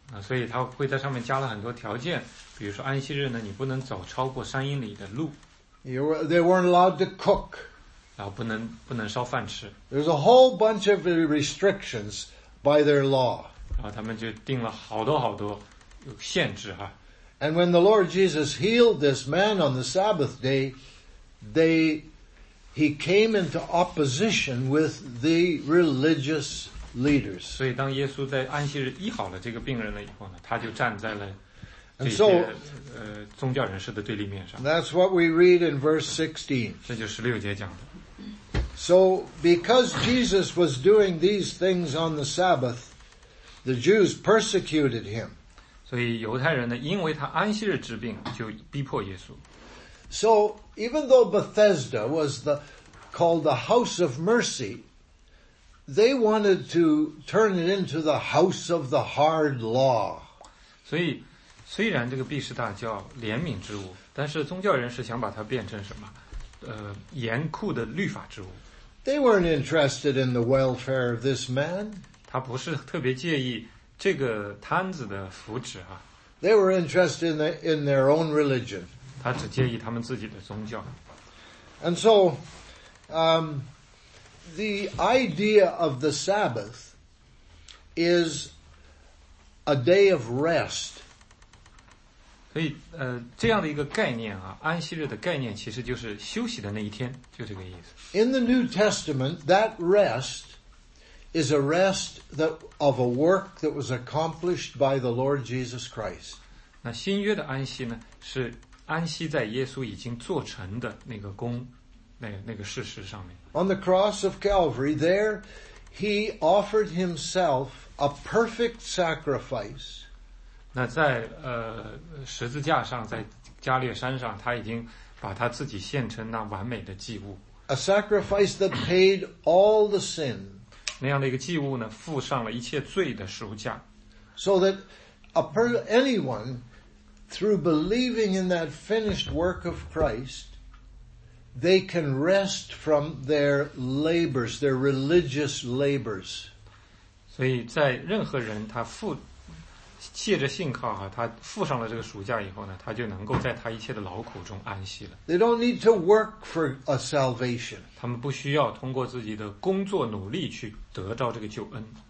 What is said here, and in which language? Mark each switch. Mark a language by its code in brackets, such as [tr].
[zh] 所以他会在上面加了很多条件，比如说安息日呢，你不能走超过3英里的路。 [en] They weren't allowed to cook. [zh] 然后不能烧饭吃。 [en] There's a whole bunch of restrictions by their law. [zh] 然后他们就定了好多好多有限制哈。 [en] And when the Lord Jesus healed this man on the Sabbath day, he came into opposition with the religious leaders. [zh] 所以当耶稣在安息日医好了这个病人了以后呢，他就站在了这些宗教人士的对立面上。 [en] That's what we read in verse 16. [zh] 这就是16节讲的。 [en] So because Jesus was doing these things on the Sabbath, the Jews persecuted him. [zh] 所以犹太人呢，因为他安息日治病，就逼迫耶稣。 [en] So even though Bethesda was the called the house of mercy, they wanted to turn it into the house of the hard law. [zh] 所以虽然这个毕士大叫怜悯之物，但是宗教人士想把它变成什么？严酷的律法之物。 [en] They weren't interested in the welfare of this man. [zh] 他不是特别介意这个摊子的福祉啊。 [en] They were interested in their own religion. [zh] 他只介意他们自己的宗教。 [en] And so, the idea of the Sabbath is a day of rest. [zh] 所以这样的一个概念啊，安息日的概念其实就是休息的那一天，就这个意思。 [en] In the New Testament, that rest is a rest that of a work that was accomplished by the Lord Jesus Christ. [zh] 那新约的安息呢，是安息在耶稣已经做成的那个功，那个事实上面。 [en] On the cross of Calvary, there he offered himself a perfect sacrifice. [zh] 那在十字架上，在加略山上，他已经把他自己献成那完美的祭物。 [en] A sacrifice that paid all the sin. [zh] 那样的一个祭物呢，付上了一切罪的赎价。 [en] So that anyone through believing in that finished work of Christ, they can rest from their labors, their religious labors. [zh] 所以在任何人他付借着信靠啊，他付上了这个赎价以后呢，他就能够在他一切的劳苦中安息了。 [en] They don't need to work for a salvation. [zh] 他们不需要通过自己的工作努力去得到这个救恩。